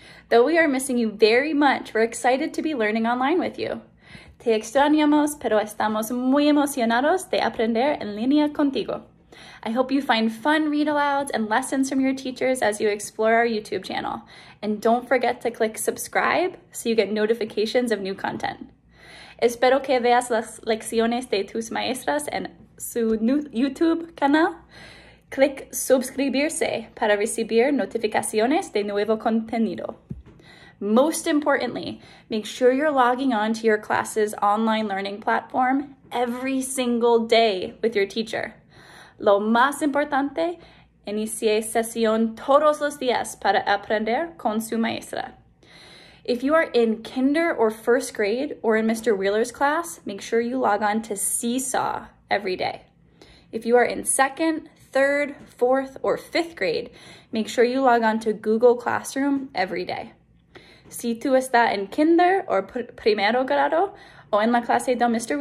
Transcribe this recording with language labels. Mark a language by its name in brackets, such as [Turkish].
[English] Though we are missing you very much, we're excited to be learning online with you. [Spanish] Te extrañamos, pero estamos muy emocionados de aprender en línea contigo. [English] I hope you find fun read-alouds and lessons from your teachers as you explore our YouTube channel. And don't forget to click subscribe so you get notifications of new content. [Spanish] Espero que veas las lecciones de tus maestras en su YouTube canal. Click suscribirse para recibir notificaciones de nuevo contenido. [English] Most importantly, make sure you're logging on to your class's online learning platform every single day with your teacher. [Spanish] Lo más importante, inicie sesión todos los días para aprender con su maestra. [English] If you are in kinder or first grade or in Mr. Wheeler's class, make sure you log on to Seesaw every day. If you are in second, third, fourth, or fifth grade, make sure you log on to Google Classroom every day. [Spanish] Si tú estás en kinder or primero grado o en la clase de Mr.